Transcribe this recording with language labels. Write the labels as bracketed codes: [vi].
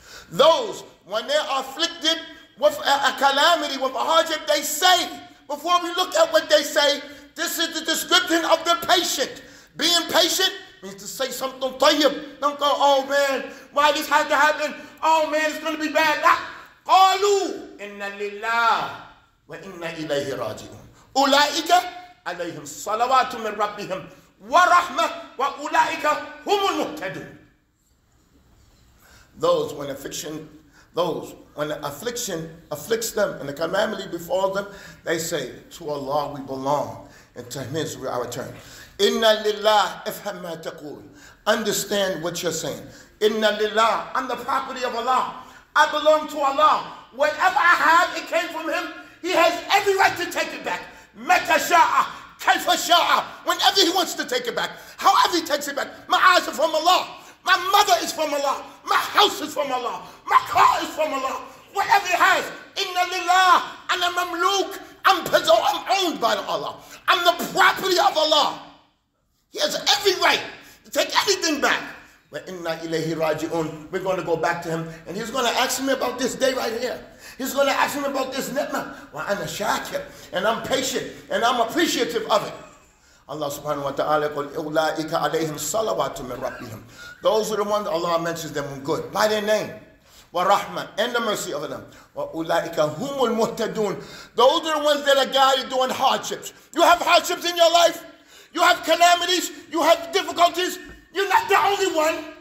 [en] Those when they are afflicted with a calamity, with a hardship, they say, before we look at what they say, this is the description of the patient. Being patient means to say something طيب. Don't go, oh man, why this had to happen? Oh man, it's going to be bad. [ar] قالوا إن لله وإن إليه راجعون. أولئك عليهم صلوات من ربهم ورحمة وأولئك هم المهتدون. [en] Those when affliction, those when affliction afflicts them and the calamity befalls them, they say, to Allah we belong and to His we are returned. [ar] إن لله افهم ما تقول. [en] Understand what you're saying. [ar] إن لله, [en] I'm the property of Allah. I belong to Allah. Whatever I have, it came from Him. He has every right to take it back. [ar] Meta sha'a, kaifa sha'a. [en] Whenever He wants to take it back, however He takes it back. My eyes are from Allah. My mother is from Allah. My house is from Allah. My car is from Allah. Whatever He has, [ar] inna lillah, ana mamluk. [en] I'm owned by Allah. I'm the property of Allah. He has every right to take everything back. [ar] وَإِنَّا إِلَيْهِ رَاجِعُونَ. [en] We're going to go back to him. And he's going to ask me about this day right here. He's going to ask me about this ni'mah. [ar] وَأَنَا شَاكِرٌ. [en] And I'm patient. And I'm appreciative of it. [ar] Allah subhanahu wa ta'ala قُلْ أُولَٰئِكَ عَلَيْهِمْ صَلَوَاتٌ مِنْ رَبِّهِمْ. [en] Those are the ones Allah mentions them good. By their name. [ar] وَرَحْمَةٌ. [en] And the mercy of them. [ar] وَأُولَٰئِكَ هُمُ الْمُهْتَدُونَ. [en] Those are the ones that are guided doing hardships. You have hardships in your life. You have calamities. You have difficulties. You're not the only one.